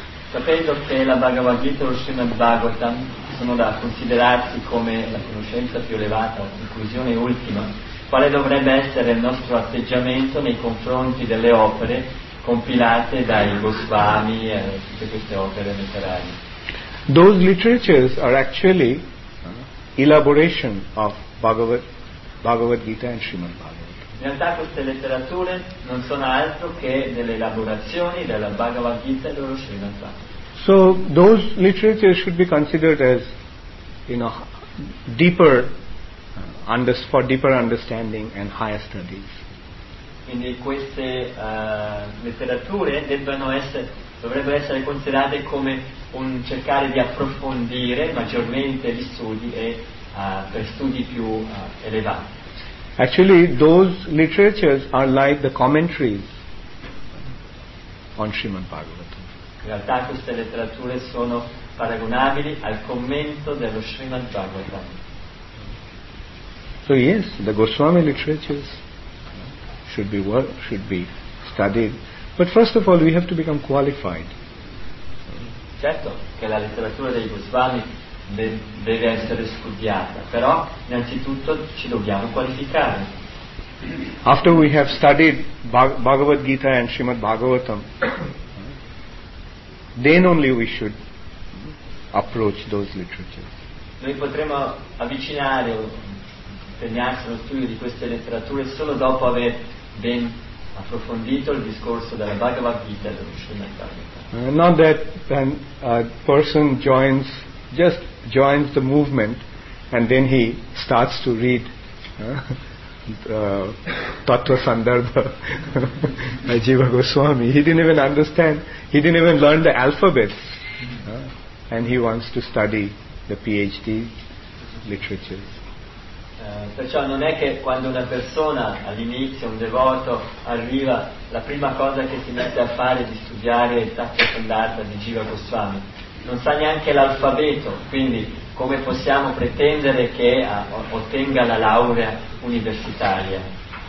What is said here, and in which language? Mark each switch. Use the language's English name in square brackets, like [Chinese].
[Italian] Sapendo che la Bhagavad Gita e lo Srimad Bhagavatam sono da considerarsi come la conoscenza più elevata, la conclusione ultima, quale dovrebbe essere il nostro atteggiamento nei confronti delle opere compilate dai Goswami e tutte queste opere letterarie? [English] Those literatures are actually elaboration of Bhagavad Gita and Srimad Bhagavatam. [Italian] In realtà queste letterature non sono altro che delle elaborazioni della Bhagavad Gita e dello Srimad Bhagavatam. [English] So those literatures should be considered as, you know, deeper for deeper understanding and higher studies. [Italian] Quindi queste letterature dovrebbero essere considerate come un cercare di approfondire maggiormente gli studi e per studi più elevati. [English] Actually, those literatures are like the commentaries on Srimad Bhagavatam. [Italian] In realtà queste letterature sono paragonabili al commento dello Srimad Bhagavatam. [English] So yes, the Goswami literatures should be studied, but first of all we have to become qualified. [Italian] Certo che la letteratura dei Goswami deve essere studiata, però innanzitutto ci dobbiamo qualificare. [English] After we have studied Bhagavad Gita and Srimad Bhagavatam, then only we should approach those literatures. [Italian] Noi potremo avvicinare o impegnarsi allo studio di queste letterature solo dopo aver ben approfondito il discorso della Bhagavad Gita e dello Srimad Bhagavatam. [English] Not that then a person joins the movement and then he starts to read Tattva Sandarbha by Jiva Goswami. He didn't even understand, he didn't even learn the alphabets, and he wants to study the PhD literatures. [Italian] Perciò non è che quando una persona all'inizio, un devoto, arriva, la prima cosa che si mette a fare è di studiare il Tattva Sandarbha di Jiva Goswami. Non sa neanche l'alfabeto, quindi come possiamo pretendere che ottenga la laurea universitaria?